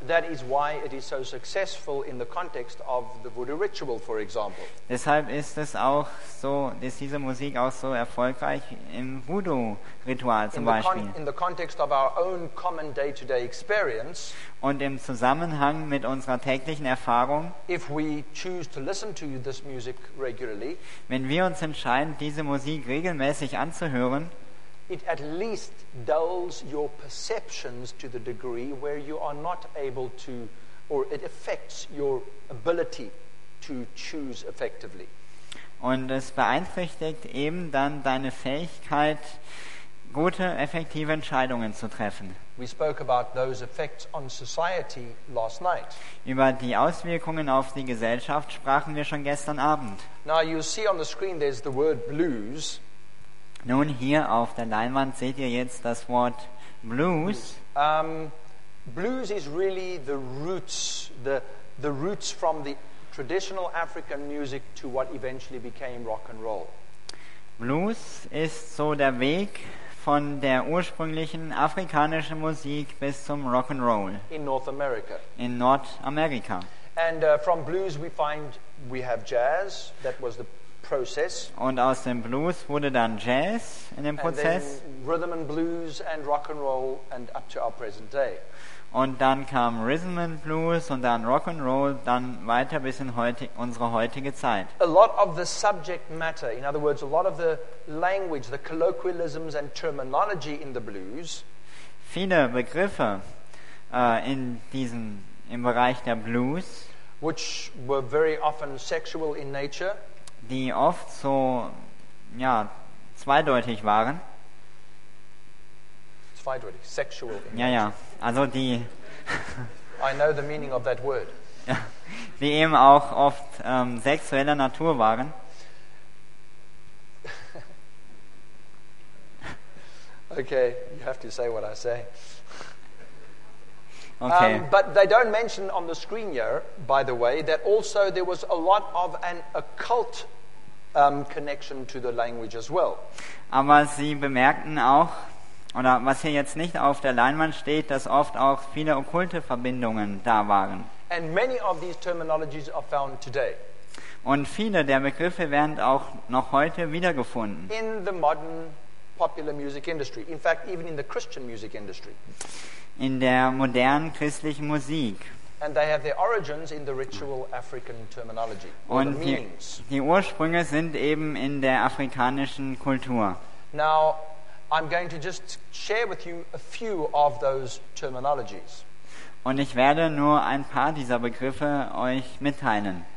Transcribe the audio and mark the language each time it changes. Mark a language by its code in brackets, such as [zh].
[en] That is why it is so successful in the context of the voodoo ritual, for example. [de] Deshalb ist es auch so, ist diese Musik auch so erfolgreich im Voodoo-Ritual zum Beispiel. [en] In the context of our own common day-to-day experience. [de] Und im Zusammenhang mit unserer täglichen Erfahrung. [en] If we choose to listen to this music regularly. [de] Wenn wir uns entscheiden, diese Musik regelmäßig anzuhören. [en] It at least dulls your perceptions to the degree where you are not able to, or it affects your ability to choose effectively. [de] Und es beeinträchtigt eben dann deine Fähigkeit, gute, effektive Entscheidungen zu treffen. [en] We spoke about those effects on society last night. [de] Über die Auswirkungen auf die Gesellschaft sprachen wir schon gestern Abend. [en] Now you see on the screen there's the word blues. [de] Nun, hier auf der Leinwand seht ihr jetzt das Wort Blues. [en] Blues is really the roots, the roots from the traditional African music to what eventually became rock and roll. [de] Blues ist so der Weg von der ursprünglichen afrikanischen Musik bis zum Rock and Roll. [en] In North America. [de] In Nordamerika. [en] And from blues we find we have jazz, that was the process. [de] Und aus dem Blues wurde dann Jazz in dem Prozess. [en] And then rhythm and blues and rock and roll and up to our present day. [de] Und dann kam Rhythm and Blues und dann Rock and Roll, dann weiter bis in unsere heutige Zeit. [en] A lot of the subject matter, in other words, a lot of the language, the colloquialisms and terminology in the blues. [de] Viele Begriffe in diesem im Bereich der Blues, [en] which were very often sexual in nature, [de] die oft so ja zweideutig waren. Zweideutig, [en] sexual in [de] ja, [en] nature. [de] Ja, also die [en] I know the meaning of that word. [de] Die eben auch oft sexueller Natur waren. [en] Okay, you have to say what I say. Okay. But they don't mention on the screen here, by the way, that also there was a lot of an occult connection to the language as well. [de] Aber sie bemerkten auch, oder was hier jetzt nicht auf der Leinwand steht, dass oft auch viele okkulte Verbindungen da waren. [en] And many of these terminologies are found today. [de] Und viele der Begriffe werden auch noch heute wiedergefunden. [en] In the modern popular music industry. In fact, even in the Christian music industry. [de] In der modernen christlichen Musik. [en] And they have their origins in the ritual African terminology. [de] Und [en] the meanings. [de] Die Ursprünge sind eben in der afrikanischen Kultur. [en] Now, I'm going to just share with you a few of those terminologies. [de] Und ich werde nur ein paar dieser Begriffe euch mitteilen.